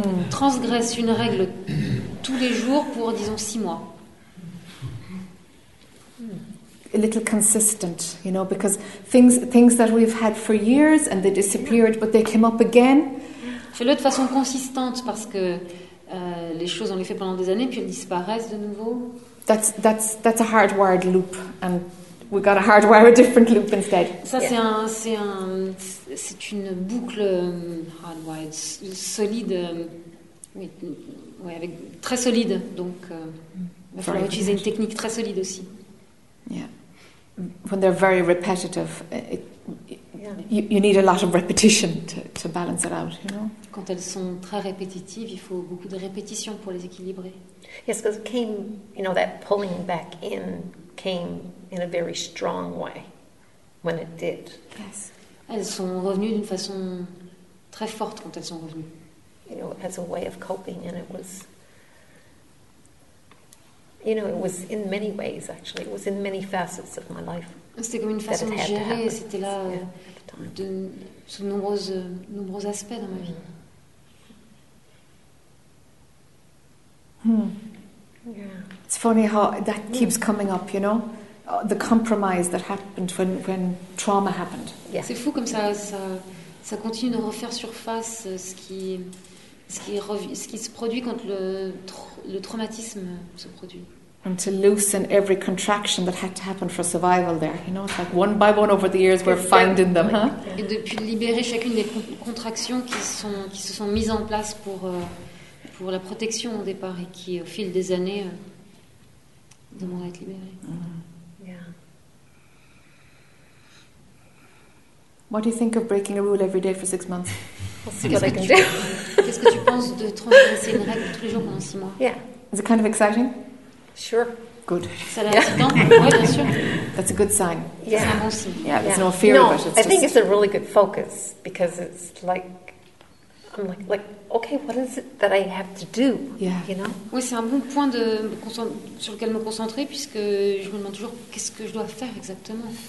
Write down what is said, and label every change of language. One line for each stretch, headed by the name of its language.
French: Transgresse une règle tous les jours pour disons 6 mois.
English: A little consistent, you know, because things that we've had for years and they disappeared, but they came up again.
French: Fais-le de façon consistante parce que les choses on les fait pendant des années puis elles disparaissent de nouveau.
English: That's a hardwired loop and. We got to hardwire a different loop instead.
French: Ça c'est yeah. C'est une boucle hardwired solide, avec très solide. Donc, il va falloir utiliser une technique très solide aussi.
English: Yeah. When they're very repetitive, you need a lot of repetition to balance it out. You know.
French: Quand elles sont très répétitives, il faut beaucoup de répétitions pour les équilibrer.
English: Yes, because it came, you know, that pulling back in came. In a very strong way, when it did. Yes.
French: Elles sont revenues d'une façon très forte quand elles sont revenues.
English: You know, as a way of coping, and it was. You know, it was in many ways. Actually, it was in many facets of my life.
French: C'était comme une façon de gérer. C'était là sous nombreux aspects dans ma vie.
English: Yeah. It's funny how that keeps coming up. You know. The compromise that happened when trauma happened. Yeah.
French: C'est fou comme ça continue de refaire surface ce qui se produit quand le traumatisme se produit.
English: And to loosen every contraction that had to happen for survival there, you know, it's like one by one over the years we're finding them, huh?
French: Et depuis libérer chacune des contractions qui se sont mises en place pour la protection au départ et qui au fil des années demandent à être libérées.
English: What do you think of breaking a rule every day for 6 months?
French: Qu'est-ce que tu penses de transgresser une règle tous les jours pendant 6 mois?
English: Yeah. Is it kind of exciting? Sure. Good.
French: Ça a l'air excitant. Oui, bien sûr.
English: That's a good sign.
French: Yeah. C'est un bon signe.
English: Yeah, there's no fear about it. No, I think it's a really good focus because it's like I'm like okay, what is it that I have to do? Yeah. You know?
French: Oui, c'est un bon point sur lequel me concentrer puisque je me demande toujours qu'est-ce que je dois faire exactement.